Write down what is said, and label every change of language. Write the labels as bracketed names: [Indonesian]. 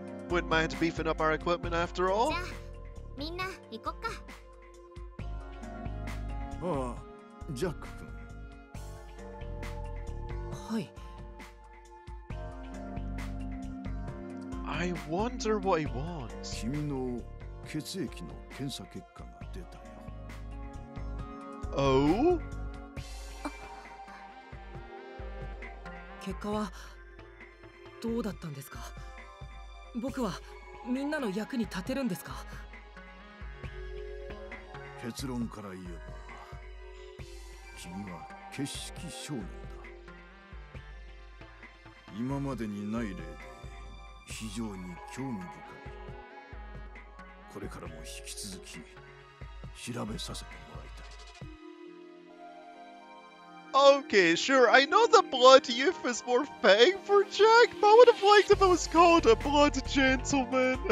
[English] Wouldn't mind beefing up our equipment after all? [Japanese] じゃあ、みんな行こっか。ああ、ジャック君。はい。 [English] I wonder what he wants. [Japanese] 君の…血液の検査結果が出たよ。 [English] Oh? [Japanese] 結果はどうだったんですか？僕はみんなの役に立てるんですか？結論から言えば、君は景色少年だ。今までにない例で非常に興味深い。これからも引き続き調べさせてもらいたい。 [English] Okay, sure. I know the blood youth is more fitting for Jack, but I would have liked if it was called a blood gentleman.